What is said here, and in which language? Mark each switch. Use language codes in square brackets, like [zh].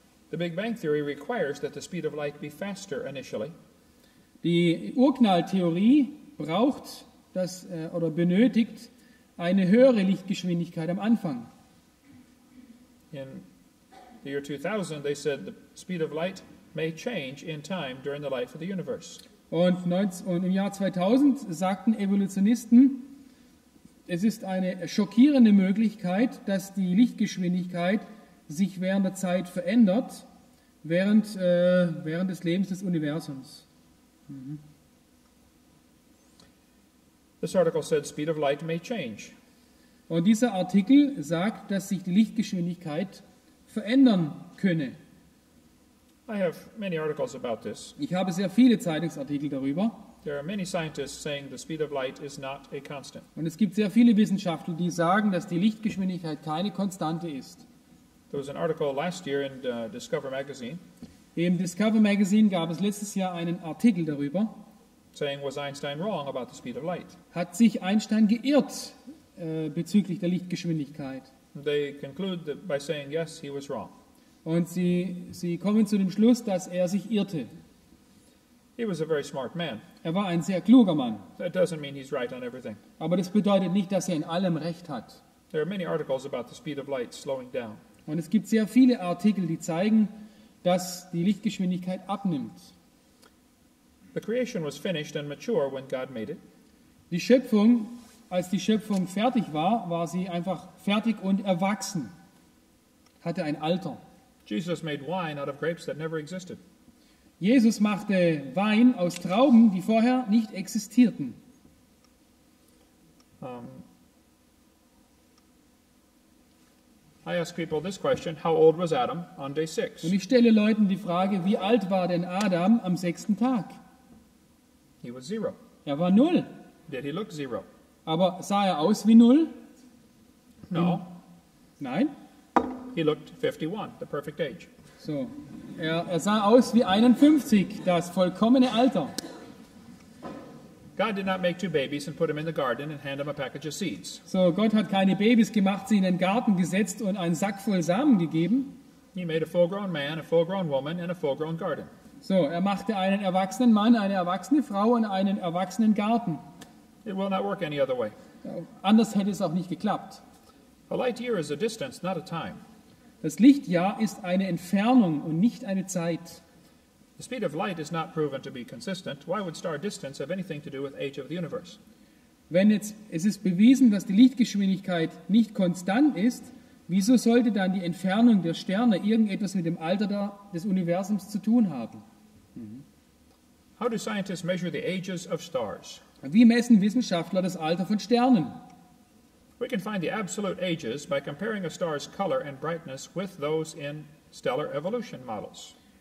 [en] The Big Bang Theory requires that the speed of light be faster initially. [de] Die Urknalltheorie braucht das oder benötigt eine höhere Lichtgeschwindigkeit am Anfang. [en] In the year 2000, they said the speed of light may change in time during the life of the universe. [de] Und im Jahr 2000 sagten Evolutionisten, es ist eine schockierende Möglichkeit, dass die Lichtgeschwindigkeit sich während der Zeit verändert, während des Lebens des Universums. Mhm. [en] This article said speed of light may change. [de] Und dieser Artikel sagt, dass sich die Lichtgeschwindigkeit verändern könne. [en] I have many articles about this. [de] Ich habe sehr viele Zeitungsartikel darüber. [en] There are many scientists saying the speed of light is not a constant. [de] Und es gibt sehr viele Wissenschaftler, die sagen, dass die Lichtgeschwindigkeit keine Konstante ist. [en] There was an article last year in Discover Magazine. [de] Im Discover Magazine gab es letztes Jahr einen Artikel darüber. [en] Saying, was Einstein wrong about the speed of light? [de] Hat sich Einstein geirrt? Bezüglich der Lichtgeschwindigkeit. [en] They conclude by saying, yes, he was wrong. [de] Und sie kommen zu dem Schluss, dass er sich irrte. [en] He was a very smart man. [de] Er war ein sehr kluger Mann. [en] That doesn't mean he's right on everything. [de] Aber das bedeutet nicht, dass er in allem recht hat. [en] There are many articles about the speed of light slowing down. [de] Und es gibt sehr viele Artikel, die zeigen, dass die Lichtgeschwindigkeit abnimmt. [en] The creation was finished and mature when God made it. [de] Die Schöpfung, als die Schöpfung fertig war, war sie einfach fertig und erwachsen. Hatte ein Alter. [en] Jesus made wine out of grapes that never existed. [de] Jesus machte Wein aus Trauben, die vorher nicht existierten. [en] I ask people this question, how old was Adam on day 6? [de] Und ich stelle Leuten die Frage, wie alt war denn Adam am sechsten Tag? [en] He was zero. [de] Er war null. [en] Did he look zero? [de] Aber sah er aus wie null? [en] No. [de] Nein. [en] He looked 51, the perfect age. [de] So. Er sah aus wie 51, das vollkommene Alter. [en] God did not make two babies and put them in the garden and hand them a package of seeds. [de] So, Gott hat keine Babys gemacht, sie in den Garten gesetzt und einen Sack voll Samen gegeben. [en] He made a full-grown man, a full-grown woman and a full-grown garden. [de] So, er machte einen erwachsenen Mann, eine erwachsene Frau und einen erwachsenen Garten. [en] It will not work any other way. [de] Anders hätte es auch nicht geklappt. [en] A light year is a distance, not a time. [de] Das Lichtjahr ist eine Entfernung und nicht eine Zeit. [en] The speed of light is not proven to be consistent. Why would star distance have anything to do with age of the universe? [de] Wenn jetzt, es ist bewiesen, dass die Lichtgeschwindigkeit nicht konstant ist, wieso sollte dann die Entfernung der Sterne irgendetwas mit dem Alter des Universums zu tun haben? [en] How do scientists measure the ages of stars? [de] Wie messen Wissenschaftler das Alter von Sternen? [en] We can find the absolute ages by comparing a star's color and brightness with those in stellar evolution models.